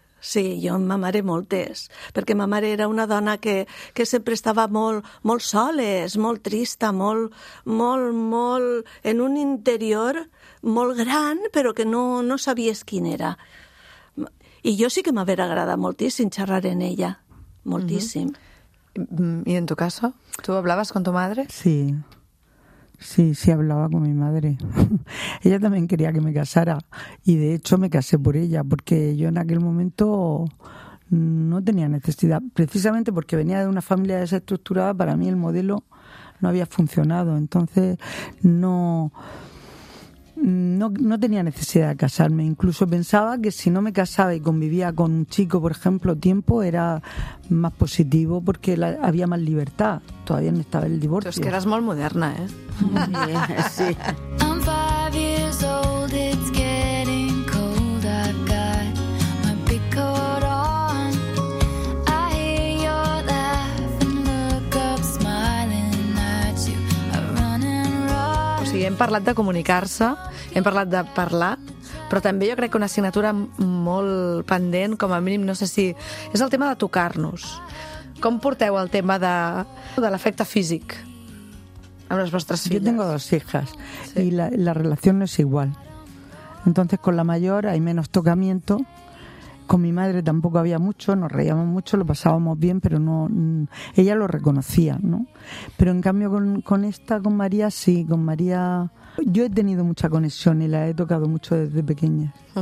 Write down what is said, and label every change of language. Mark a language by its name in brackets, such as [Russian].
[Catalan] Sí, jo amb ma mare moltes, perquè ma mare era una dona que sempre estava molt, molt soles, molt trista, molt, molt, molt, en un interior molt gran, però que no sabies quin era. I jo sí que m'hauria agradat moltíssim xerrar amb ella, moltíssim. I en tu cas, tu hablaves amb tu mare? Sí. [Spanish] Sí, sí, hablaba con mi madre. Ella también quería que me casara y de hecho me casé por ella porque yo en aquel momento no tenía necesidad. Precisamente porque venía de una familia desestructurada, para mí el modelo no había funcionado. Entonces no tenía necesidad de casarme. Incluso pensaba que si no me casaba y convivía con un chico, por ejemplo, tiempo, era más positivo porque había más libertad. Todavía no estaba el divorcio. Pero es que eras muy moderna, ¿eh? Sí. [English] I'm 5 years old, it's getting cold, I've got my big coat on. I hear your laugh and look up smiling at you, I run and run. [Catalan] O sigui, hem parlat de comunicar-se, hem parlat de parlar, però també jo crec que una assignatura molt pendent, com a mínim, no sé si... És el tema de tocar-nos. Com porteu el tema de l'efecte físic? Amb les vostres filles. [Spanish] Yo tengo dos hijas y la relación no es igual. Entonces con la mayor hay menos tocamiento. Con mi madre tampoco había mucho, nos reíamos mucho, lo pasábamos bien, pero no, ella lo reconocía, ¿no? Pero en cambio con María sí, con María yo he tenido mucha conexión y la he tocado mucho desde pequeña.